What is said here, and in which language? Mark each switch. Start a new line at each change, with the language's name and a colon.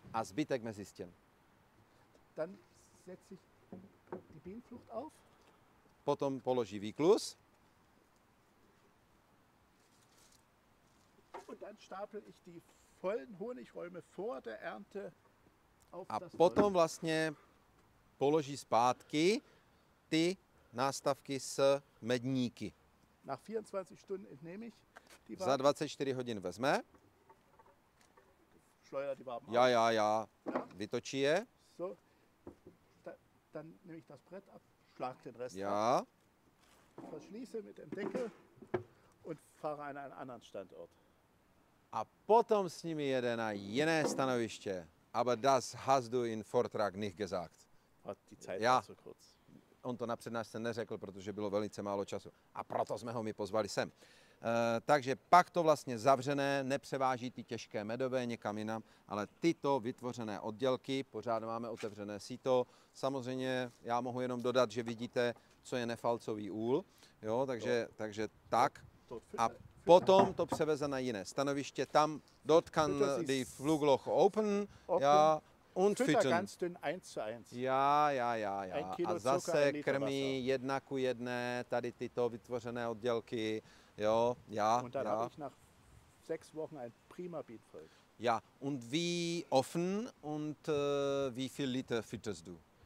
Czech: A zbytek mezi stěn.
German: Dann setz ich die Bienenflucht auf.
Czech: Potom položí výklus.
German: Und dann stapel ich die vollen Honigräume vor der Ernte auf.
Czech: A potom vlastně položí zpátky ty nástavky s medníky.
German: Nach 24 Stunden entnehme ich die Waben.
Czech: Za 24 hodin vezme.
German: Schleudere die Waben. Ja.
Czech: Vytočí je.
German: So. Dann nehme ich das Brett ab, schlag den Rest. Ja. Ab, verschließe mit dem Deckel und fahre an einen anderen Standort.
Czech: A potom s nimi jede na jiné stanoviště.
German: Aber das hast du in Vortrag nicht gesagt. Hat die Zeit ja. So kurz.
Czech: On to napřed nás neřekl, protože bylo velice málo času. A proto jsme ho my pozvali sem. Takže pak to vlastně zavřené nepřeváží ty těžké medové někam jinam, ale tyto vytvořené oddělky, pořád máme otevřené síto. Samozřejmě já mohu jenom dodat, že vidíte, co je nefalcový úl. Jo, takže tak. A potom to převeze na jiné stanoviště.
German: Tam dort kann die Flugloch open. Ja. Und füttern. Ganz dünn, 1:1. Ja.
Czech: A zase krmí jedna ku jedné tady tyto vytvořené oddělky. Jo, ja.
German: Und dann habe ich nach 6 Wochen ein prima Bienenvolk. Ja, und wie offen und wie viel Liter fütterst du?